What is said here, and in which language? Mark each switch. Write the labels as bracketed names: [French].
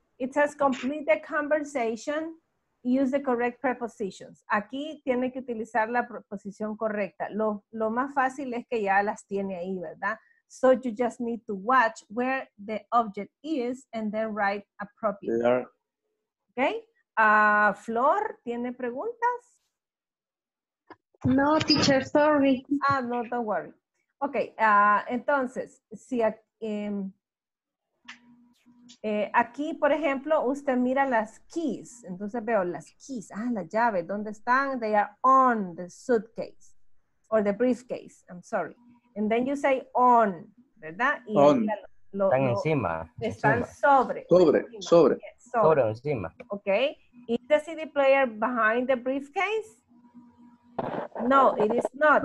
[English] It says complete the conversation, use the correct prepositions. [Spanish] Aquí tiene que utilizar la preposición correcta. Lo más fácil es que ya las tiene ahí, ¿verdad? [English] So you just need to watch where the object is and then write appropriately. [Spanish] Okay. Flor, ¿tiene preguntas? [English] No, teacher, sorry. Ah, no, don't worry. [Spanish] Okay, entonces, si aquí, por ejemplo, usted mira las keys. Entonces veo las keys. Ah, la llave, ¿dónde están? [English] They are on the suitcase or the briefcase. I'm sorry. And then you say on, ¿verdad? [Spanish] Y on. Están encima. Están encima. Sobre. Yes, sobre o encima. [English] Ok. ¿Is the CD player behind the briefcase? No, it is not.